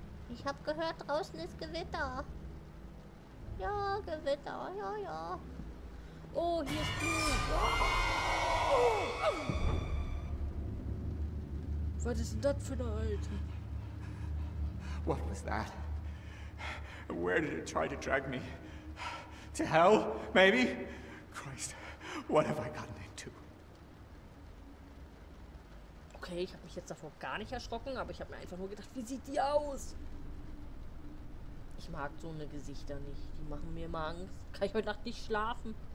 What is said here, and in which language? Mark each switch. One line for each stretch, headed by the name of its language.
German: Ich habe gehört, draußen ist Gewitter. Ja, Gewitter, ja, ja. Oh, hier ist Blut. Was ist denn das für eine Alte?
English: What was that? Where did it try to drag me? To hell, maybe? Christ, what have I gotten into?
German: Okay, ich habe mich jetzt davor gar nicht erschrocken, aber ich habe mir einfach nur gedacht, wie sieht die aus? Ich mag so eine Gesichter nicht. Die machen mir immer Angst. Kann ich heute Nacht nicht schlafen?